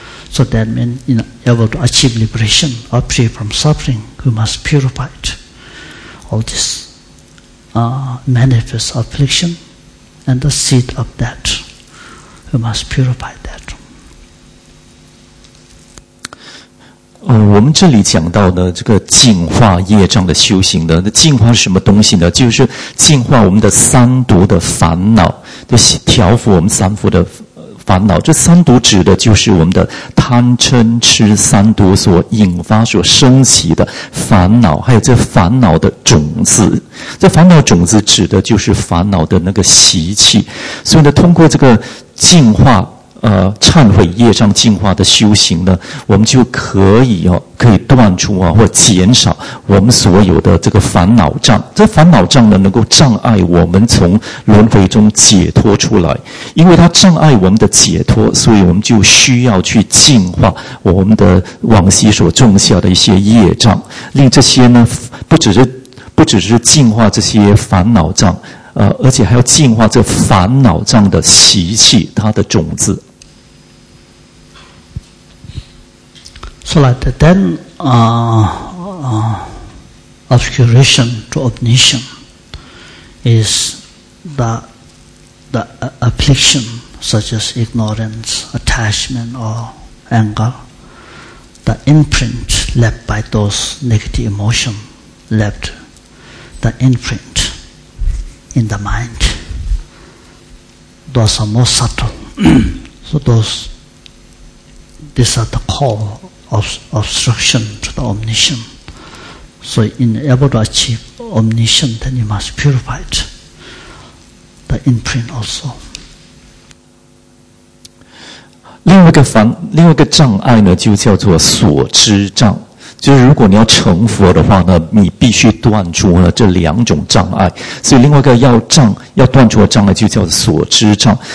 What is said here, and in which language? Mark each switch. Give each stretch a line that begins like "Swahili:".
English: So that means in order to achieve liberation or free from suffering, we must purify it. All this manifest affliction and the seed of that, we must purify that.
Chinese: 我们这里讲到的这个净化业障的修行呢，那净化是什么东西呢？就是净化我们的三毒的烦恼，就调伏我们三毒的烦恼。这三毒指的就是我们的贪嗔痴三毒所引发、所升起的烦恼，还有这烦恼的种子。这烦恼种子指的就是烦恼的那个习气。所以呢，通过这个净化忏悔业障净化的修行呢，我们就可以断除或减少我们所有的这个烦恼障。这烦恼障呢，能够障碍我们从轮回中解脱出来。因为它障碍我们的解脱，所以我们就需要去净化我们的往昔所种下的一些业障。令这些呢，不只是净化这些烦恼障，而且还要净化这烦恼障的习气，它的种子。
English: So like then, obscuration to omniscience is the affliction such as ignorance, attachment, or anger, the imprint left by those negative emotions left, the imprint in the mind. Those are more subtle. So these are the core obstruction to the omniscient. So in able to achieve omniscient, then you must purify it. The imprint also.
Chinese: 另外一个障碍呢，就叫做所知障。就是如果你要成佛的话呢，你必须断除了这两种障碍。所以另外一个要断除的障碍就叫所知障。